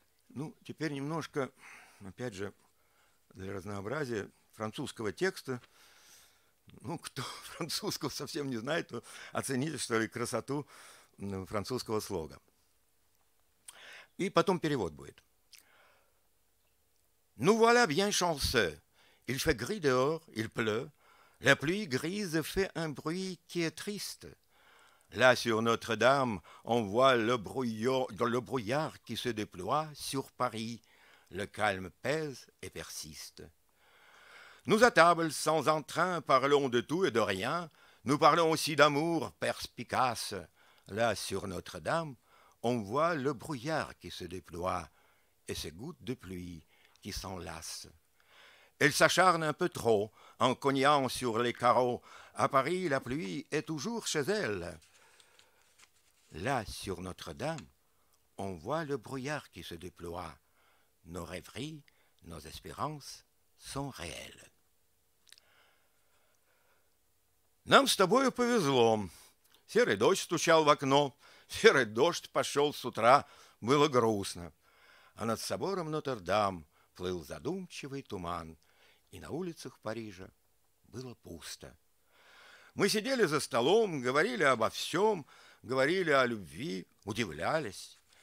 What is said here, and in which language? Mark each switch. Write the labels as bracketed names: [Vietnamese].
[Russian] Ну, теперь немножко, опять же, для разнообразия французского текста. Ну, кто французского совсем не знает, то оцените, что ли, красоту французского слога. И потом перевод будет. [French] Nous voilà bien chanceux. Il fait gris dehors, il pleut. La pluie grise fait un bruit qui est triste. Là, sur Notre-Dame, on voit le brouillard qui se déploie sur Paris. Le calme pèse et persiste. Nous, à table, sans entrain, parlons de tout et de rien. Nous parlons aussi d'amour perspicace. Là, sur Notre-Dame, on voit le brouillard qui se déploie et ses gouttes de pluie qui s'enlacent. Elle s'acharne un peu trop en cognant sur les carreaux. À Paris, la pluie est toujours chez elle. Là, sur Notre-Dame, on voit le brouillard qui se déploie. Nos rêveries, nos espérances sont réelles. [Russian] Нам с тобою повезло. Серый дождь стучал в окно. Серый дождь пошел с утра. Было грустно. А над собором Нотр-Дам плыл задумчивый туман. И на улицах Парижа было пусто. Мы сидели за столом, говорили обо всем, говорили о любви, удивлялись.